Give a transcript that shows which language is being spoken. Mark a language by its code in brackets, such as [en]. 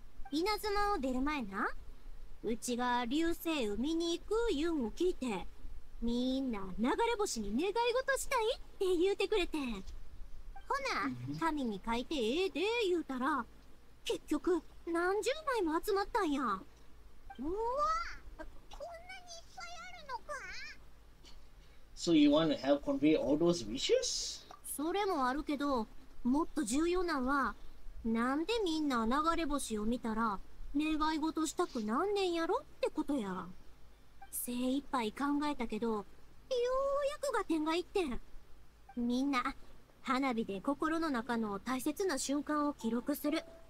[ja] 稲妻を出る前な、うちが流星を見に行くユンを聞いて、みんな流れ星に願い事したいって言うてくれて、ほな紙に書いてええで言うたら、結局何十枚も集まったんや。うわ、こんなにいっぱいあるのか。 [en] So you want to help convey all those wishes? [ja] それもあるけど、もっと重要なのは、なんでみんな流れ星を見たら願い事したくなんねんやろってことや。精一杯考えたけど、ようやくが点がいってん。みんな花火で心の中の大切な瞬間を記録する。